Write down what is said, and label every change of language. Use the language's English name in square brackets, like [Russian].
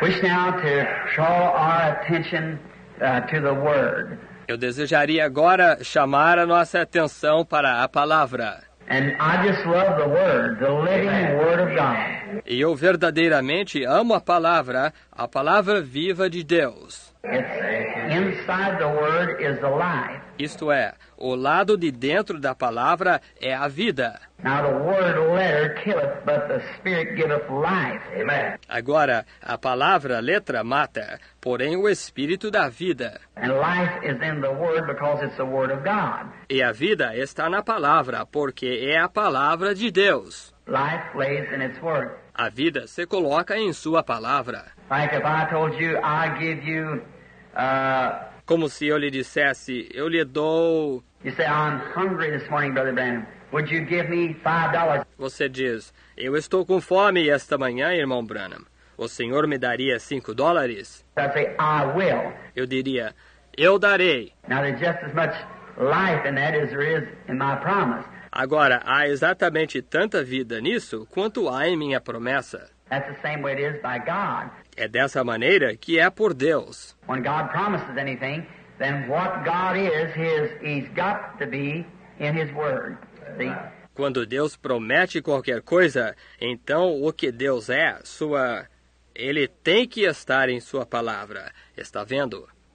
[English] Wish now to draw our attention to the word. [Portuguese] Eu desejaria agora chamar a nossa atenção para a palavra. [English] And I just love the word, the living word of God. [Portuguese] E eu verdadeiramente amo a palavra viva de Deus. [English] It's inside the word is the life. [Portuguese] Isto é, o lado de dentro da palavra é a vida. [English] Now the word letter killeth, but the spirit giveth life. Amen. [Portuguese] Agora, a palavra letra mata, porém o espírito dá vida. [English] And life is in the word because it's the word of God. [Portuguese] E a vida está na palavra, porque é a palavra de Deus. [English] Life lays in its word. [Portuguese] A vida se coloca em sua palavra. [English] Like if I told you, I give you, [Portuguese] como se eu lhe dissesse, eu lhe dou. [English] You say, I'm hungry this morning, Brother Branham. Would you give me $5? [Portuguese] Você diz, eu estou com fome esta manhã, Irmão Branham. O senhor me daria $5? [English] I say, I will. [Portuguese] Eu diria, eu darei. [English] Now there's just as much life in that as there is in my promise. [Portuguese] Agora, há exatamente tanta vida nisso quanto há em minha promessa. [English] That's the same way it is by God. [Portuguese] É dessa maneira que é por Deus. [English] When God promises anything, then what God is, he's got to be in his word. [Portuguese] Quando Deus promete qualquer coisa, então o que Deus é, sua Ele tem que estar em sua palavra. Está vendo?